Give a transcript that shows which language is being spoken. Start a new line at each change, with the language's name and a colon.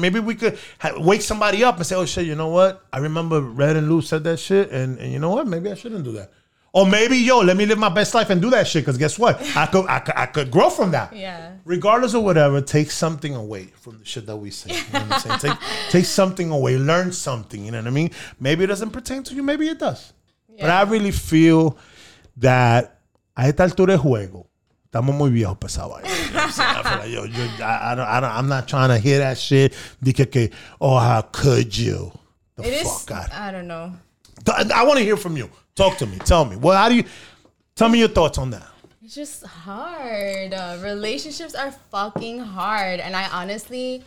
English: Maybe we could wake somebody up and say, "Oh shit, you know what? I remember Red and Lou said that shit, and you know what? Maybe I shouldn't do that." Or maybe, yo, let me live my best life and do that shit. Because guess what? I could grow from that. Yeah. Regardless of whatever, take something away from the shit that we say. You know what I'm saying? Take something away. Learn something. You know what I mean? Maybe it doesn't pertain to you. Maybe it does. Yeah. But I really feel that
Spanish: a esta altura de juego, estamos muy viejos para esa vaina.
English: I feel like, yo, I'm not trying to hear that shit.
Spanish: Dije que,
English: oh, how could you? I don't know. I want to hear from you. Talk to me. Tell me. Well, how do you? Tell me your thoughts on that. It's just hard. Relationships are fucking hard, and I honestly